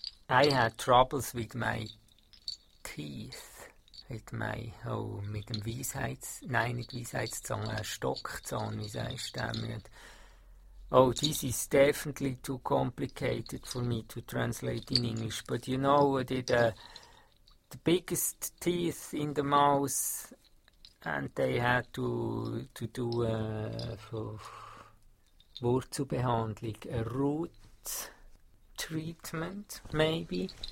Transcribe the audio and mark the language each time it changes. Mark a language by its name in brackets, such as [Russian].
[English] I had troubles with my teeth. [German] Mit mei, oh, mit dem Weisheitszahn, Stockzahn, wie sagst du, [English] Oh, this is definitely too complicated for me to translate in English. But you know, the biggest teeth in the mouth, and they had to do for Wurzelbehandlung, a root treatment, maybe.